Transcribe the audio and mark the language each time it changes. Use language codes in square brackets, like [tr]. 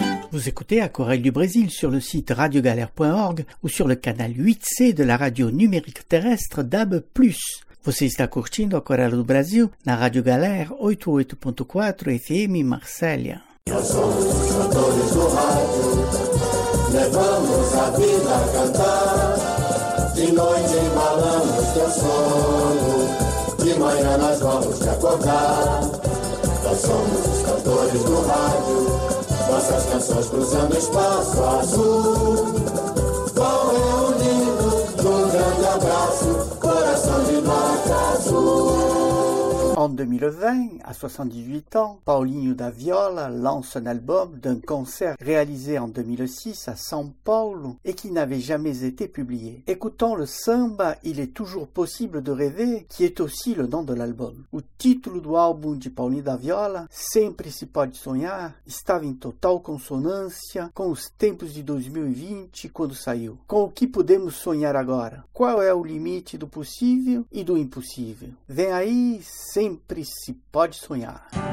[fr] Vous écoutez à Corée du Brésil sur le site radiogalère.org ou sur le canal 8C de la radio numérique terrestre DAB+. [pt] Você está curtindo a Corée do Brasil na Rádio Galère 88.4 FM Marselha. Nós somos cantores do rádio, levamos a vida a cantar. De noite embalamos teu sono, de manhã nós vamos te acordar. Nós somos os cantores do rádio, nossas canções cruzando espaço azul. Vão reunindo num grande abraço, coração de marca azul. [fr] En 2020, à 78 ans, Paulinho da Viola lance un album d'un concert réalisé en 2006 à São Paulo et qui n'avait jamais été publié. Écoutons le samba « Il est toujours possible de rêver » qui est aussi le nom de l'album. Le titre du album de [pt] Paulinho da Viola, « Sempre se pode sonhar », estava em total consonância com os tempos de 2020 quando saiu. Com o que podemos sonhar agora? Qual é o limite do possível e do impossível? Vem aí, sempre se pode sonhar.